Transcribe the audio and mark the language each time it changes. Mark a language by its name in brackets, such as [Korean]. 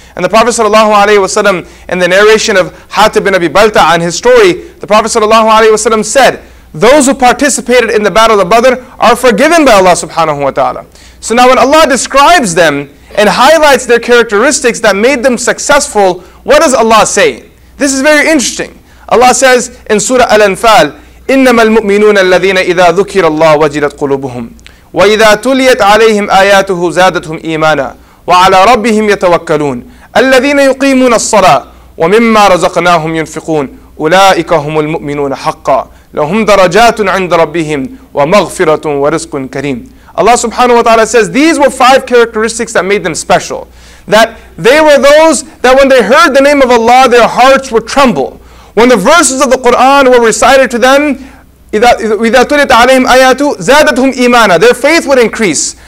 [English] And the Prophet sallallahu alaihi wasallam, in the narration of Hatib bin Abi Balta on his story, the Prophet sallallahu alaihi wasallam said, those who participated in the battle of Badr are forgiven by Allah subhanahu wa ta'ala. So now when Allah describes them and highlights their characteristics that made them successful, what does Allah say? This is very interesting. [Arabic] Allah says in Surah Al-Anfal, إِنَّمَا الْمُؤْمِنُونَ الَّذِينَ إِذَا ذُكِرَ اللَّهُ وَجِلَتْ قُلُوبُهُمْ وَإِذَا تُلِيَتْ عَلَيْهِمْ آيَاتُهُ زَادَتْهُمْ إِيمَانًا وَعَلَى رَبِّهِمْ يَتَوَكَّلُونَ الَّذِينَ يُقِيمُونَ الصَّلَاةَ وَمِمَّا رَزَقْنَاهُمْ يُنْفِقُونَ أُولَئِكَ هُمُ الْمُؤْمِنُونَ حَقًّا لَهُمْ دَرَجَاتٌ عِنْدَ رَبِّهِمْ وَمَغْفِرَةٌ وَرِزْقٌ كَرِيمٌ. [English] Allah subhanahu wa ta'ala says these were five characteristics that made them special. That they were those that when they heard the name of Allah, their hearts would tremble. When the verses of the Quran were recited to them, [Arabic] إِذَا تُلِتْ عَلَيْهِمْ آيَاتُ زَادَتْهُمْ إِيمَانًا. [English] Their faith would increase.